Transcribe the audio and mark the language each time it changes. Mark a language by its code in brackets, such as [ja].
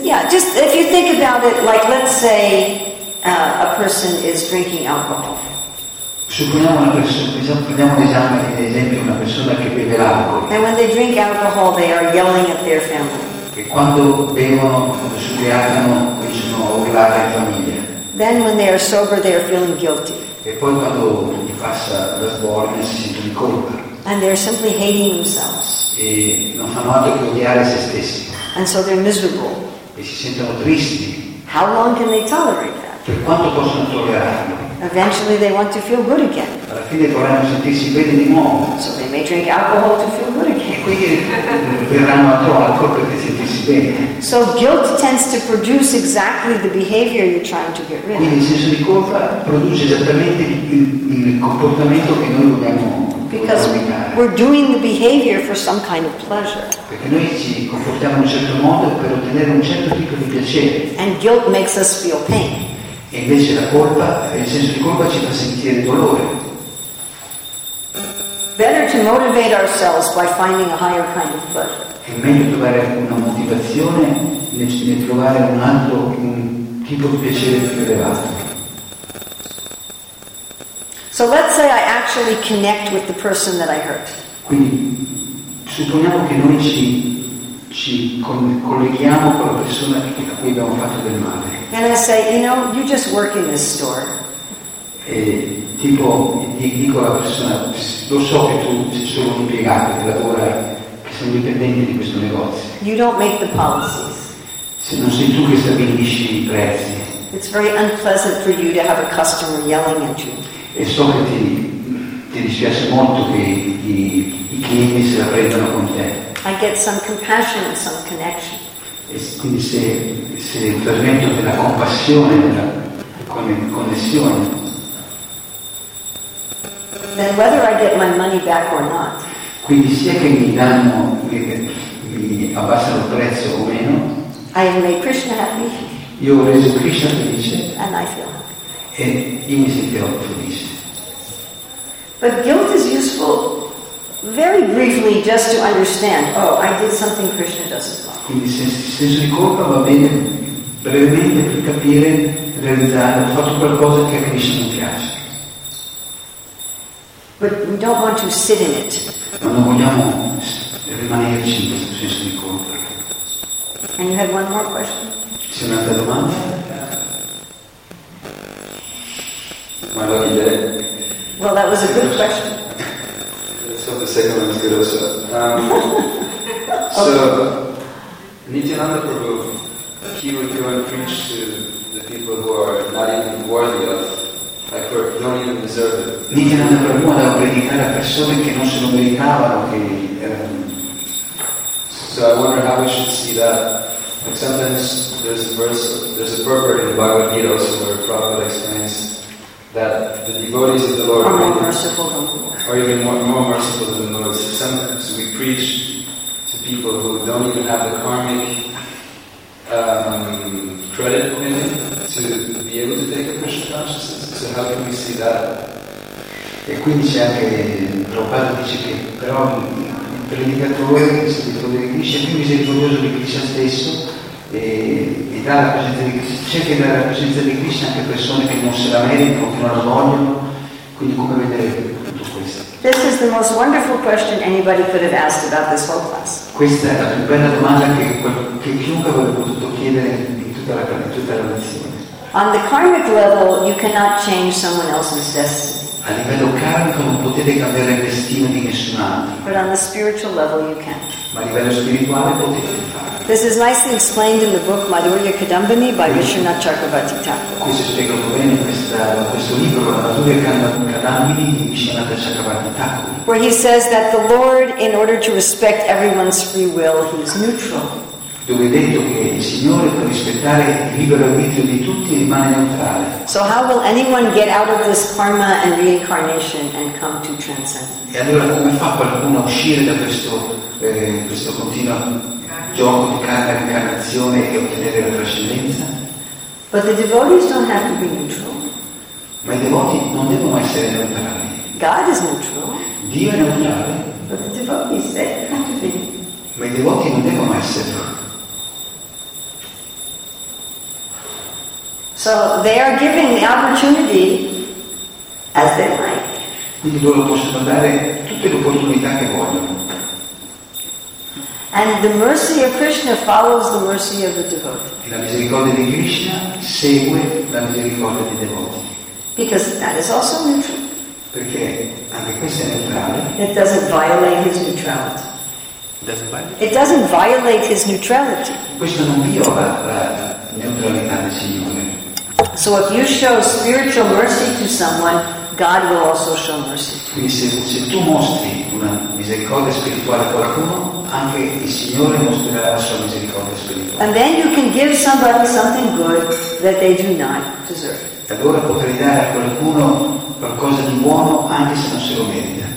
[en] Just if you think about it, like let's say a person is drinking alcohol. [it] Supponiamo una persona, prendiamo ad esempio una persona che beve l'alcol. [en] And when they drink alcohol, they are yelling at their family. [it] E quando bevono, quando ubriacano, cominciano a urlare in famiglia. [en] Then when they are sober, they are feeling guilty. [it] E poi quando gli passa la sbornia si sente in colpa. [en] And they are simply hating themselves. [it] E non fanno altro che odiare se stessi. [en] And so they're miserable. [it] E si sentono tristi. [en] How long can they tolerate that? [it] Per quanto possono tollerarlo? [en] Eventually they want to feel good again. [it] Alla fine vorranno sentirsi bene di nuovo. [en] So they may drink alcohol to feel good again. [it] Quindi verranno altro alcol per sentirsi bene. [en] So guilt tends to produce exactly the behavior you're trying to get rid of. [it] Quindi il senso di colpa produce esattamente il comportamento che noi vogliamo. [en] Because we're doing the behavior for some kind of pleasure. [it] Perché noi ci comportiamo in un certo modo per ottenere un certo tipo di piacere. [en] And guilt makes us feel pain. [it] E invece la colpa, il senso di colpa ci fa sentire dolore. [en] Better to motivate ourselves by finding a higher kind of pleasure. [it] È meglio trovare una motivazione invece di trovare un altro un tipo di piacere più elevato. [en] So let's say I actually connect with the person that I hurt. [it] Quindi supponiamo che noi ci colleghiamo con la persona a cui abbiamo fatto del male. [en] And I say, you know, you just work in this store. [it] E tipo dico alla persona, lo so che tu sei solo un impiegato che lavora, che sei un dipendente di questo negozio. [en] You don't make the policies. [it] Se non sei tu che stabilisci i prezzi. [en] It's very unpleasant for you to have a customer yelling at you. [it] E so che ti dispiace molto che i clienti se la prendano con te. [en] I get some compassion and some connection. [it] E quindi se permetto della compassione, della connessione. [en] Then whether I get my money back or not. [it] Quindi sia che mi danno, mi abbassano il prezzo o meno. [en] I have made Krishna happy. [it] Io ho reso Krishna felice. [en] And I feel happy. [it] E io mi sentirò felice. [en] But guilt is useful. Very briefly, just to understand, oh, I did something Krishna doesn't like. [it] Quindi il senso di colpa va bene brevemente per capire, realizzare, ho fatto qualcosa che a Krishna non piace. [en] But we don't want to sit in it. [it] Ma non vogliamo rimanerci in questo senso di colpa. [en] And you had one more question? [it] C'è un'altra domanda? Ma lo dire? [en] Well, that was a good question. The second one is good also. So, Nityananda Prabhu, he would go and preach to the people who are not even worthy of, like who don't even deserve it. [it] Nityananda Prabhu andava a predicare a persone che non se lo meritavano, che [en] So I wonder how we should see that. Like sometimes there's a verse, there's a proverb in the Bhagavad Gita also where Prabhupada explains that the devotees of the Lord are more merciful than the Lord. Are even more merciful than the Lord. So sometimes we preach to people who don't even have the karmic credit in it to be able to take a Krishna consciousness. So how can we see that? [it] E quindi c'è anche Prabhupada dice che però il predicatore si è più misericordioso di Krishna stesso e dà la presenza di Krishna, cerca di dare la presenza di Krishna anche a persone che non se la meritano, che non la vogliono. Quindi come vedere tutto questo? [en] This is the most wonderful question anybody could have asked about this whole class. [it] Questa è la più bella domanda che chiunque avrebbe potuto chiedere in tutta la lezione. [en] On the karmic level you cannot change someone else's destiny. [it] A livello karmico non potete cambiare il destino di nessun altro. [en] But on the spiritual level you can. [it] Ma a livello spirituale potete farlo. [en] This is nicely explained in the book Madhurya Kadambini by Vishwanath Chakravarti Thakur. [it] Qui si spiega bene questo libro Madhurya Kadambini di Vishwanath Chakravarti Thakur. [en] Where he says that the Lord, in order to respect everyone's free will, he is neutral. [it] Dove è detto che il Signore per rispettare il libero arbitrio di tutti rimane neutrale. [en] So how will anyone get out of this karma and reincarnation and come to transcendence? [it] E allora come fa qualcuno a uscire da questo continuo gioco di karma e reincarnazione e ottenere la trascendenza? [en] But the devotees don't have to be neutral. [it] Ma i devoti non devono essere neutrali. [en] God is neutral. [it] Dio è neutrale. [en] But the devotees, they have to be. [it] Ma i devoti non devono essere neutrali. [en] So they are giving the opportunity as they like. [it] Quindi loro possono dare tutte le opportunità che vogliono. [en] And the mercy of Krishna follows the mercy of the devotee. [it] E la misericordia di Krishna segue la misericordia dei devoti. [en] Because that is also neutral. [it] Perché anche questo è neutrale. [en] It doesn't violate his neutrality. It doesn't violate his neutrality. [it] Questo non viola la neutralità del Signore. [en] So if you show spiritual mercy to someone, God will also show mercy. [it] Quindi se tu mostri una misericordia spirituale a qualcuno, anche il Signore mostrerà la sua misericordia spirituale. [en] And then you can give somebody something good that they do not deserve. [it] Allora potrai dare a qualcuno qualcosa di buono anche se non se lo merita.